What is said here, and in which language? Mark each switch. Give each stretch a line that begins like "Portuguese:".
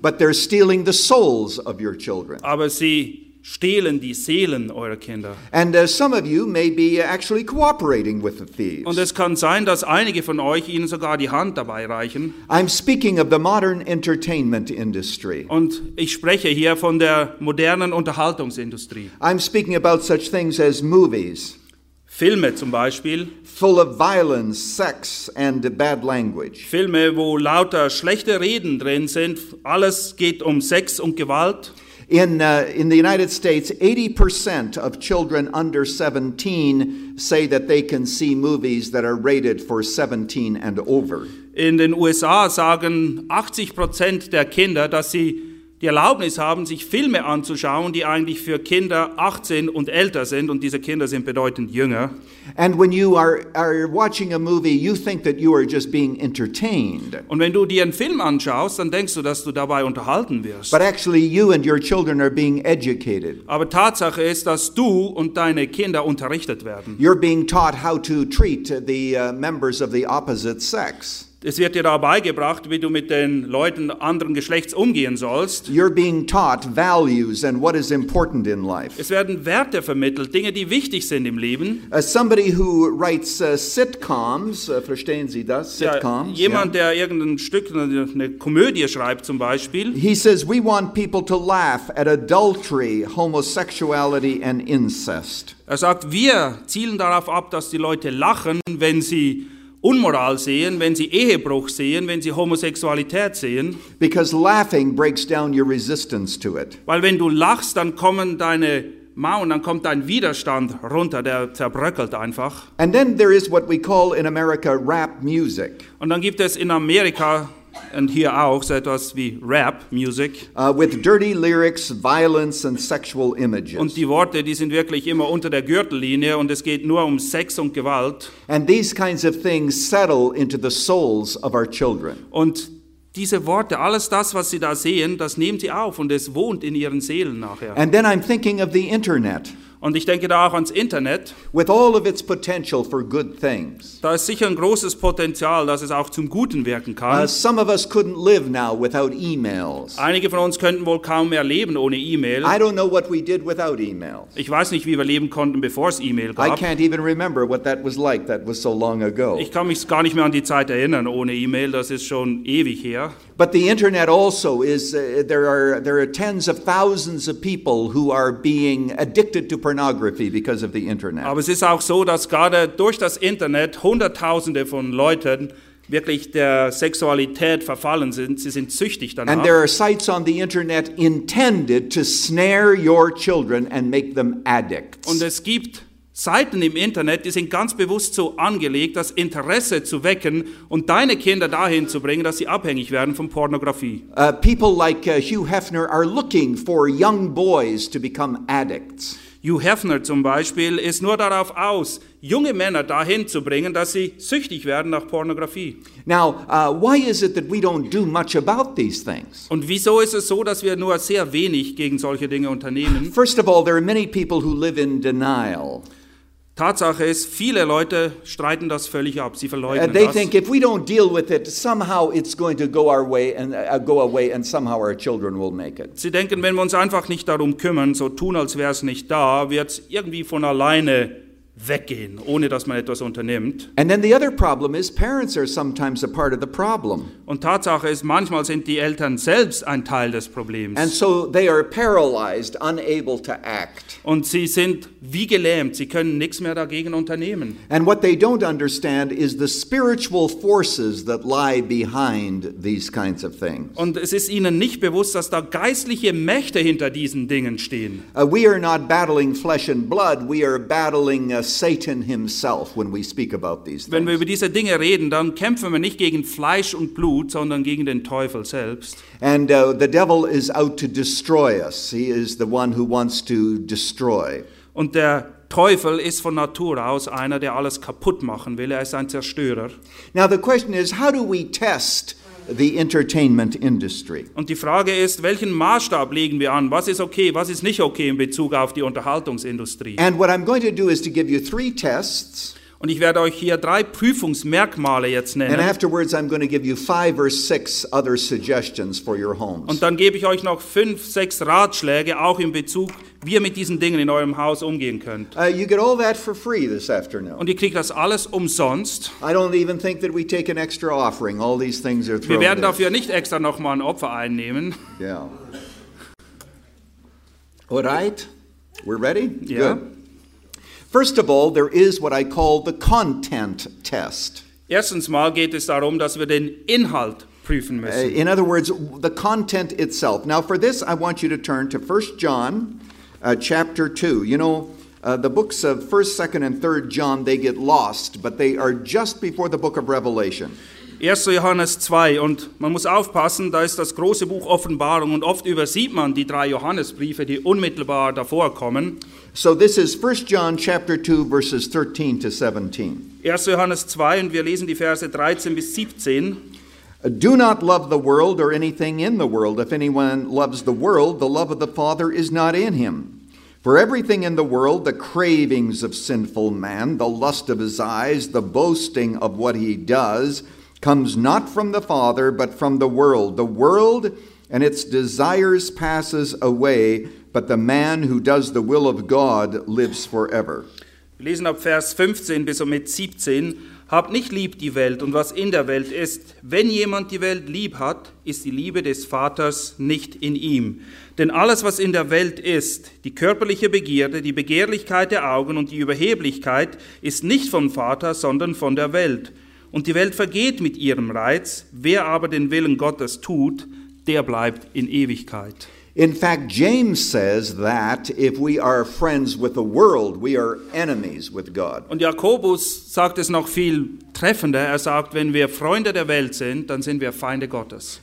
English: But they're stealing the souls of your children.
German: Aber sie stehlen die Seelen eurer Kinder.
English: And some of you may be actually cooperating with the thieves.
German: Und es kann sein, dass einige von euch ihnen sogar die Hand dabei reichen.
English: I'm speaking of the modern entertainment industry.
German: Und ich spreche hier von der modernen Unterhaltungsindustrie.
English: I'm speaking about such things as movies.
German: Filme zum Beispiel.
English: Full of violence, sex and bad language.
German: Filme, wo lauter schlechte Reden drin sind. Alles geht um Sex und Gewalt.
English: In the United States, 80% of children under 17 say that they can see movies that are rated for 17 and over.
German: In den USA sagen 80% der Kinder, dass sie die Erlaubnis haben, sich Filme anzuschauen, die eigentlich für Kinder 18 und älter sind, und diese Kinder sind bedeutend jünger.
English: And when you are watching a movie, you think that you are just being entertained.
German: Und wenn du dir einen Film anschaust, dann denkst du, dass du dabei unterhalten wirst.
English: But actually you and your children are being educated.
German: Aber Tatsache ist, dass du und deine Kinder unterrichtet werden.
English: You're being taught how to treat the members of the opposite sex.
German: Es wird dir dabei gebracht, wie du mit den Leuten anderen Geschlechts umgehen sollst.
English: You're being taught values and what is important in life.
German: Es werden Werte vermittelt, Dinge, die wichtig sind im Leben.
English: Somebody who writes sitcoms,
German: verstehen Sie das?
English: Sitcoms.
German: Ja, jemand,
English: yeah.
German: Der irgendein Stück, eine Komödie schreibt zum Beispiel.
English: He says we want people to laugh at adultery, homosexuality and incest.
German: Er sagt, wir zielen darauf ab, dass die Leute lachen, wenn sie Unmoral sehen, wenn sie Ehebruch sehen, wenn sie Homosexualität sehen.
English: Because laughing breaks down your resistance to it.
German: Weil wenn du lachst, dann kommen deine Mauern, dann kommt dein Widerstand runter, der zerbröckelt einfach.
English: And then there is what we call in America rap music.
German: Und dann gibt es in Amerika und hier auch so etwas wie rap music.
English: With dirty lyrics, violence and sexual images.
German: Und die Worte, die sind wirklich immer unter der Gürtellinie und es geht nur um Sex und Gewalt.
English: And these kinds of things settle into the souls of our children.
German: Und diese Worte, alles das, was sie da sehen, das nehmen sie auf und es wohnt in ihren Seelen nachher.
English: And then I'm thinking of the internet.
German: Und ich denke da auch ans Internet.
English: With all of its potential for good things.
German: Da ist sicher ein großes Potenzial, dass es auch zum Guten wirken kann.
English: Some of us couldn't live now without emails.
German: Einige von uns könnten wohl kaum mehr leben ohne E-Mail.
English: I don't know what we did without emails.
German: Ich weiß nicht, wie wir leben konnten, bevor es E-Mail gab.
English: I can't even remember what that was like. That was so long ago.
German: Ich kann mich gar nicht mehr an die Zeit erinnern ohne E-Mail. Das ist schon ewig her.
English: But the internet also is there are tens of thousands of people who are being addicted to pornography because of the internet.
German: Aber es ist auch so, dass gerade durch das Internet hunderttausende von Leuten wirklich der Sexualität verfallen sind. Sie sind süchtig danach.
English: And there are sites on the internet intended to snare your children and make them addicts.
German: Und es gibt Seiten im Internet, die sind ganz bewusst so angelegt, das Interesse zu wecken und deine Kinder dahin zu bringen, dass sie abhängig werden von Pornografie.
English: People like Hugh Hefner are looking for young boys to become addicts.
German: Hugh Hefner zum Beispiel ist nur darauf aus, junge Männer dahin zu bringen, dass sie süchtig werden nach Pornografie.
English: Now, why is it that we don't do much about these things?
German: Und wieso ist es so, dass wir nur sehr wenig gegen solche Dinge unternehmen?
English: First of all, there are many people who live in denial.
German: Tatsache ist, viele Leute streiten das völlig ab. Sie verleugnen das.
English: They think if we don't deal with it, somehow it's going to go our way and go away, and somehow our children will make it.
German: Sie denken, wenn wir uns einfach nicht darum kümmern, so tun, als wäre es nicht da, wird es irgendwie von alleine weggehen, ohne dass man etwas unternimmt.
English: And then the other problem is, parents are sometimes a part of the problem.
German: Und Tatsache ist, manchmal sind die Eltern selbst ein Teil des Problems.
English: And so they are paralyzed, unable to act.
German: Und sie sind wie gelähmt, sie können nichts mehr dagegen unternehmen.
English: And what they don't understand is the spiritual forces that lie behind these kinds of things.
German: Und es ist ihnen nicht bewusst, dass da geistliche Mächte hinter diesen Dingen stehen.
English: We are not battling flesh and blood, we are battling Satan himself when we speak about these things.
German: Wenn wir über diese Dinge reden, dann kämpfen wir nicht gegen Fleisch und Blut, sondern gegen den Teufel selbst.
English: And the devil is out to destroy us. He is the one who wants to destroy.
German: Und der Teufel ist von Natur aus einer, der alles kaputt machen will. Er ist ein Zerstörer.
English: Now the question is, how do we test the entertainment industry?
German: Und die Frage ist, welchen Maßstab legen wir an? Was ist okay, was ist nicht okay in Bezug auf die Unterhaltungsindustrie?
English: And what I'm going to do is to give you three tests.
German: Und ich werde euch hier drei Prüfungsmerkmale jetzt nennen.
English: And afterwards I'm going to give you five or six other suggestions for your homes.
German: Und dann gebe ich euch noch 5, 6 Ratschläge auch in Bezug, wie ihr mit diesen Dingen in eurem Haus umgehen könnt.
English: You get all that for free this afternoon.
German: Und ihr kriegt das alles umsonst.
English: I don't even think that we take an extra offering. All these things are thrown.
German: Wir werden dafür nicht extra noch mal ein Opfer einnehmen.
English: Yeah. All right. We're ready? Yeah. Good. First of all, there is what I call the content test.
German: Erstens mal geht es darum, dass wir den Inhalt prüfen müssen.
English: In other words, the content itself. Now for this, I want you to turn to 1 John chapter 2. You know, the books of 1, 2 and 3 John, they get lost, but they are just before the book of Revelation.
German: 1. Johannes 2, und man muss aufpassen, da ist das große Buch Offenbarung, und oft übersieht man die drei Johannesbriefe, die unmittelbar davor kommen.
English: So this is 1 John chapter 2, verses 13 to 17.
German: 1. Johannes 2, und wir lesen die Verse 13 bis 17.
English: Do not love the world or anything in the world. If anyone loves the world, the love of the Father is not in him. For everything in the world, the cravings of sinful man, the lust of his eyes, the boasting of what he does, comes not from the Father, but from the world. The world and its desires passes away, but the man who does the will of God lives forever.
German: Wir lesen ab Vers 15 bis und mit 17. Habt nicht lieb die Welt und was in der Welt ist. Wenn jemand die Welt lieb hat, ist die Liebe des Vaters nicht in ihm. Denn alles, was in der Welt ist, die körperliche Begierde, die Begehrlichkeit der Augen und die Überheblichkeit, ist nicht vom Vater, sondern von der Welt. Und die Welt vergeht mit ihrem Reiz. Wer aber den Willen Gottes tut, der bleibt in Ewigkeit.
English: In fact, James says that if we are friends with the world, we are enemies with God.
German: Und Jakobus sagt es noch viel treffender. Er sagt, wenn wir Freunde der Welt sind, dann sind wir Feinde Gottes.